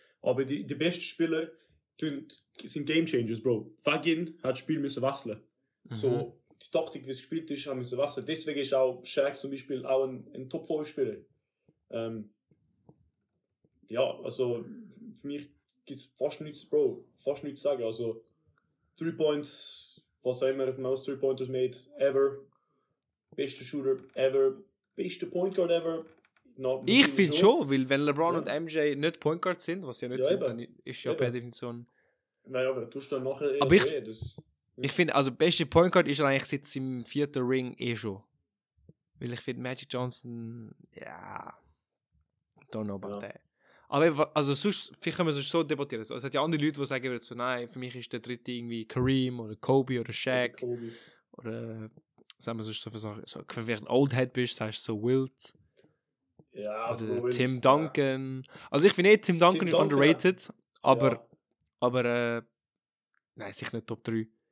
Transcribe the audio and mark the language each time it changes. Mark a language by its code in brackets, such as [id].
[de] Aber die besten Spieler sind Game Changers, Bro. Fagin hat das Spiel müssen wechseln. Mhm. So, die Taktik, wie es gespielt ist, haben müssen wechseln. Deswegen ist auch Shaq zum Beispiel auch ein Top-5-Spieler. Ja, also für mich gibt es fast nichts, Bro. Fast nichts zu sagen. Also, 3 Points, was auch immer, [en] most 3 Pointers made ever. [de] Bester Shooter ever. Bester Point Guard ever. Not ich finde schon, weil wenn LeBron und MJ nicht Point Guard sind, was sie ja nicht sind, eben. Dann ist ja per Definition. Naja, aber tust du dann nachher eher aber sehen, ich finde, also, beste Point Guard ist eigentlich seit seinem vierten Ring eh schon. Weil ich finde Magic Johnson, ja. [en] Yeah, don't know about that. [de] Aber also sonst, vielleicht können wir es so debattieren. Es hat ja andere Leute, die sagen, so, nein, für mich ist der dritte irgendwie Kareem oder Kobe oder Shaq. Kobe. Oder sagen wir so, wenn du vielleicht ein Old Head bist, sagst du so Wilt. Ja, oder Bro, Tim Duncan. Ja. Also ich finde eh, Tim Duncan ist underrated, aber. Ja. Aber nein, sicher nicht Top 3.